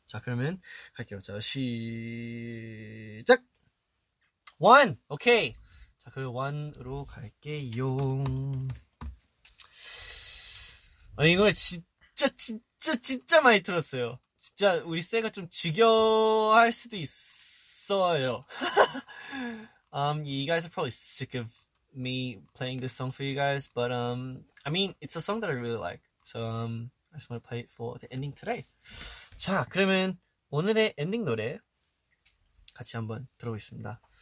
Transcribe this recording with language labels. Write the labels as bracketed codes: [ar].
[ko] 자, 그러면 갈게요. 자, 시작. 1. 오케이. 자, 그럼 1으로 갈게요. 아니, 이 노래 진짜 많이 들었어요. 진짜 우리 세가 좀 지겨워할 수도 있어요. [en] you guys are probably sick of me playing this song for you guys, but I mean, it's a song that I really like. So I just want to play it for the ending today. [ko] 자, 그러면 오늘의 엔딩 노래 같이 한번 들어보겠습니다.